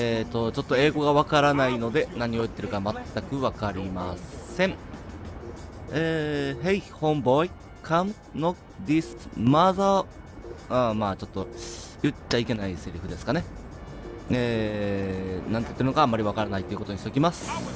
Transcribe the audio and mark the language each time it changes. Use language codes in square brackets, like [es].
[ja] ちょっと英語がわからないので何を言ってるか全くわかりません。 [en] Hey, homeboy, come knock this mother. [ja] ちょっと言っちゃいけないセリフですかね。なんて言ってるのかあんまりわからないということにしておきます。